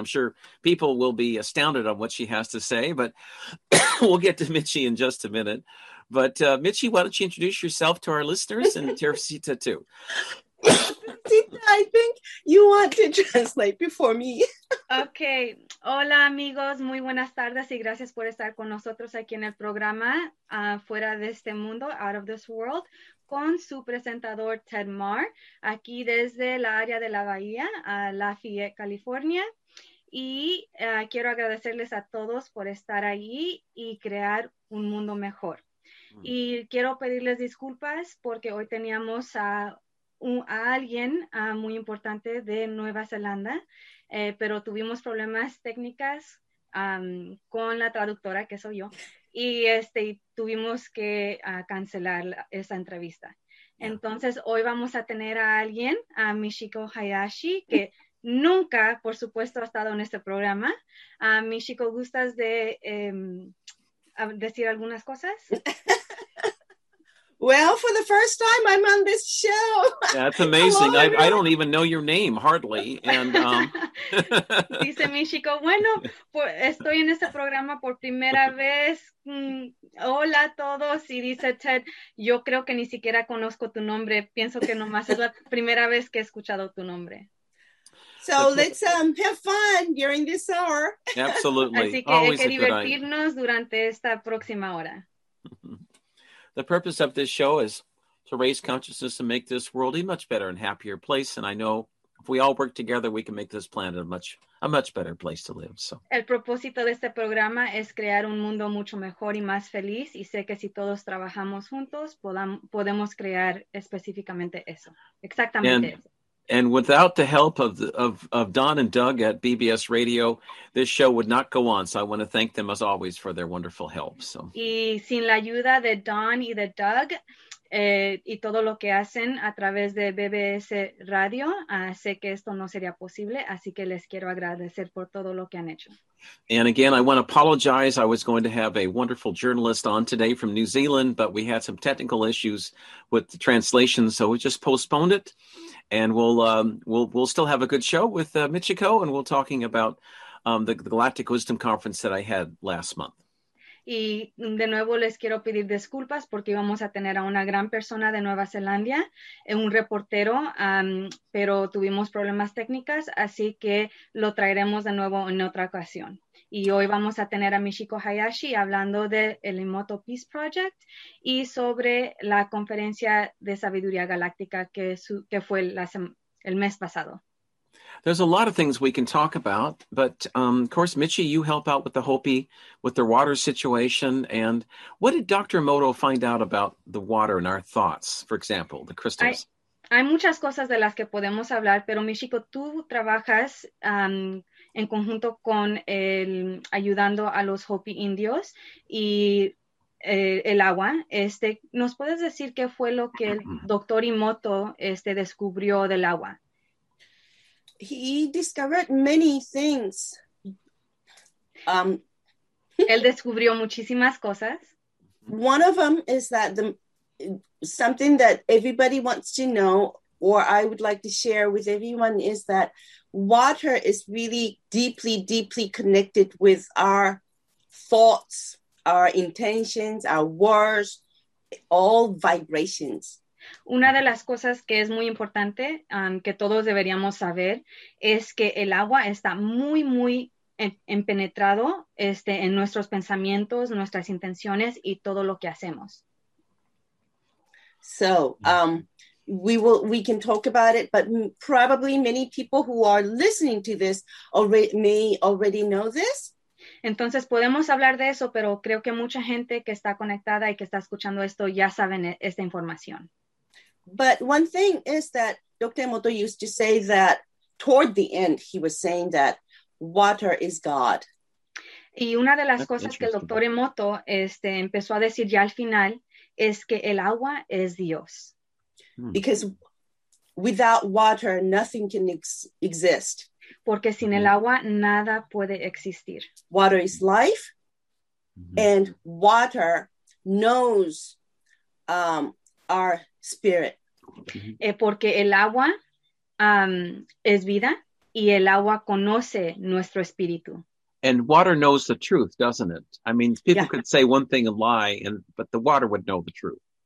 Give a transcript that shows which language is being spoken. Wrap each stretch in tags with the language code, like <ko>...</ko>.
<en>I'm sure people will be astounded on what she has to say, but we'll get to Michi in just a minute. But Michi, why don't you introduce yourself to our listeners and Teresita too. I think you want to translate before me.</en> <es>Okay. Hola, amigos. Muy buenas tardes y gracias por estar con nosotros aquí en el programa Fuera de Este Mundo, Out of This World, con su presentador Ted Marr, aquí desde la área de la Bahía, Lafayette, California. Y quiero agradecerles a todos por estar ahí y crear un mundo mejor. Mm. Y quiero pedirles disculpas porque hoy teníamos a alguien muy importante de Nueva Zelanda, pero tuvimos problemas técnicas con la traductora, que soy yo, y tuvimos que cancelar esa entrevista. Entonces, hoy vamos a tener a alguien, a Michiko Hayashi, que nunca, por supuesto, ha estado en este programa. Michiko, ¿gustas de decir algunas cosas?</es> <en>Well, for the first time, I'm on this show. That's amazing. I don't even know your name, hardly. And</en> <es>dice Michiko, bueno, estoy en este programa por primera vez. Hola a todos. Y dice Ted, yo creo que ni siquiera conozco tu nombre. Pienso que nomás es la primera vez que he escuchado tu nombre.</es> <en>So let's have fun during this hour. Absolutely.</en> <es>Así que hay que divertirnos durante esta próxima hora.</es> <en>The purpose of this show is to raise consciousness and make this world a much better and happier place. And I know if we all work together, we can make this planet a much better place to live. So.</en> <es>El propósito de este programa es crear un mundo mucho mejor y más feliz. Y sé que si todos trabajamos juntos, podemos crear específicamente eso. Exactamente.</es> <en>And without the help of Don and Doug at BBS Radio, this show would not go on. So I want to thank them as always for their wonderful help. So.</en> <es>Y sin la ayuda de Don y de Doug y todo lo que hacen a través de BBS Radio, sé que esto no sería posible. Así que les quiero agradecer por todo lo que han hecho.</es> <en>And again, I want to apologize. I was going to have a wonderful journalist on today from New Zealand, but we had some technical issues with the translation, so we just postponed it. And we'll still have a good show with Michiko, and we're talking about the Galactic Wisdom Conference that I had last month.</en> <es>Y de nuevo les quiero pedir disculpas porque íbamos a tener a una gran persona de Nueva Zelanda, un reportero, pero tuvimos problemas técnicas, así que lo traeremos de nuevo en otra ocasión. Y hoy vamos a tener a Michiko Hayashi hablando del Emoto Peace Project y sobre la conferencia de sabiduría galáctica que fue el mes pasado.</es> <en>There's a lot of things we can talk about, but of course, Michi, you help out with the Hopi, with their water situation. And what did Dr. Emoto find out about the water and our thoughts, for example, the crystals?</en> <es>Hay muchas cosas de las que podemos hablar, pero Michiko, tú trabajas en conjunto con ayudando a los Hopi indios y el agua. ¿Nos puedes decir qué fue lo que el Dr. Emoto descubrió del agua?</es> <en>He discovered many things.</en> <es>Él descubrió muchísimas cosas.</es> <en>One of them is that something that everybody wants to know, or I would like to share with everyone, is that water is really deeply, deeply connected with our thoughts, our intentions, our words, all vibrations.</en> <es>Una de las cosas que es muy importante que todos deberíamos saber es que el agua está muy, muy empenetrado en nuestros pensamientos, nuestras intenciones y todo lo que hacemos.</es> <en>So, we can talk about it, but probably many people who are listening to this may already know this.</en> <es>Entonces podemos hablar de eso, pero creo que mucha gente que está conectada y que está escuchando esto ya saben esta información.</es> <en>But one thing is that Dr. Emoto used to say that toward the end, he was saying that water is God.</en> <es>Y una de las</es> <en>That's</en> <es>cosas que el Dr. Emoto empezó a decir ya al final es que el agua es Dios.</es> <en>Because without water, nothing can exist.</en> <es>Porque sin el agua, nada puede existir.</es> <en>Water is life, and water knows our spirit.</en> <es>Porque el agua es vida, y el agua conoce nuestro espíritu.</es> <en>And water knows the truth, doesn't it? I mean, people could say one thing and lie, but the water would know the truth.</en>